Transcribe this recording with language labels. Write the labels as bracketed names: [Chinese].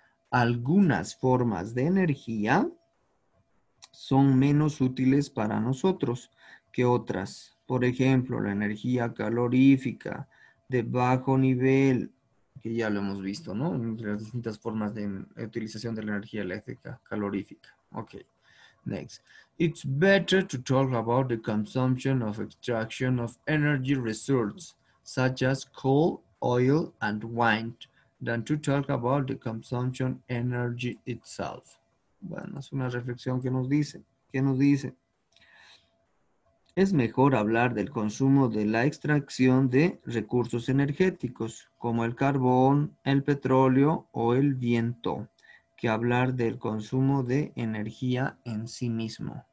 [Spanish] Algunas formas de energía son menos útiles para nosotros que otras. Por ejemplo, la energía calorífica de bajo nivel, que ya lo hemos visto, ¿no? En las distintas formas de utilización de la energía eléctrica calorífica. [English] Ok, next. It's better to talk about the consumption of extraction of energy resources, such as coal, oil, and wind, than to talk about the consumption energy itself. [Spanish] Bueno, es una reflexión que nos dice. ¿Qué nos dice? Es mejor hablar del consumo de la extracción de recursos energéticos, como el carbón, el petróleo o el viento, que hablar del consumo de energía en sí mismo.